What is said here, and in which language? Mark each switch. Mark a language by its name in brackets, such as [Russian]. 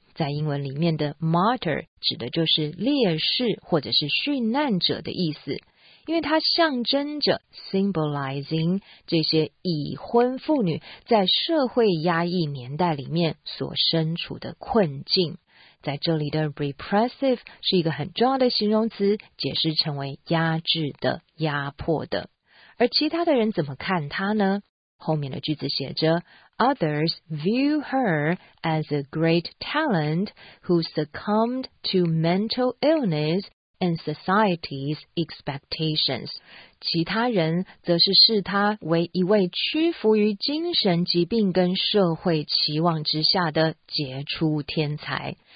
[Chinese] 在英文里面的 martyr 指的就是烈士或者是殉难者的意思，因为它象征着 symbolizing 这些已婚妇女在社会压抑年代里面所身处的困境。在这里的 repressive 是一个很重要的形容词，解释成为压制的、压迫的。而其他的人怎么看她呢？后面的句子写着 [English] Others view her as a great talent who succumbed to mental illness and society's expectations. [Chinese] 其他人则是视她为一位屈服于精神疾病跟社会期望之下的杰出天才。